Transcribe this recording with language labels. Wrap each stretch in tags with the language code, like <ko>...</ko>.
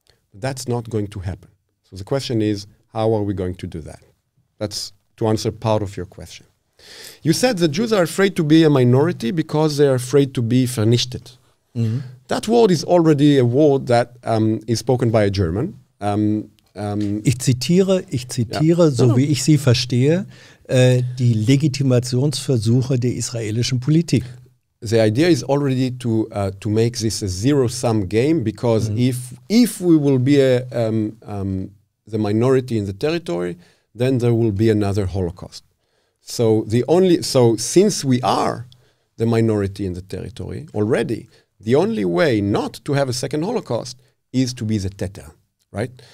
<en>But that's not going to happen. So the question is, how are we going to do that? That's to answer part of your question. You said the Jews are afraid to be a minority because they are afraid to be vernichtet. Mm-hmm. That word is already a word that is spoken by a German.</en> <de>Ich zitiere,</de> <en>yeah.</en> <de>So wie ich sie verstehe, die Legitimationsversuche der israelischen Politik.</de> <en>The idea is already to make this a zero-sum game, because if we will be the minority in the territory, then there will be another Holocaust. So since we are the minority in the territory already, the only way not to have a second Holocaust is to be the Teta, right?</en>